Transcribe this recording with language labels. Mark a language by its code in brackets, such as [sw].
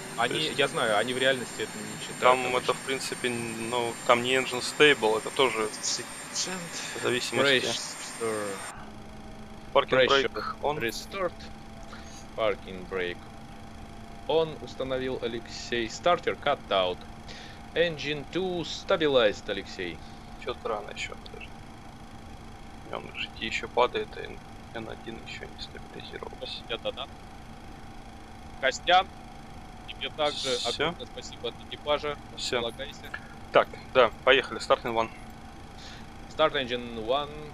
[ru] Они, есть, я знаю, они в реальности это не читают. Там это вообще. В принципе, ну, там не engine stable, это тоже зависимость. [en] Parking brake on. Restored. Parking brake on, [ru] установил [en] Алексей. Starter cut out. Engine 2 stabilized, Алексей. [ru] Чё-то рано ещё, подожди. Он в GT ещё падает, и N1 ещё не стабилизировался. Это да. Костян, тебе также огромное спасибо от экипажа. Всё. Полагайся. Так, да, поехали. [en] Starting one. Start engine 1.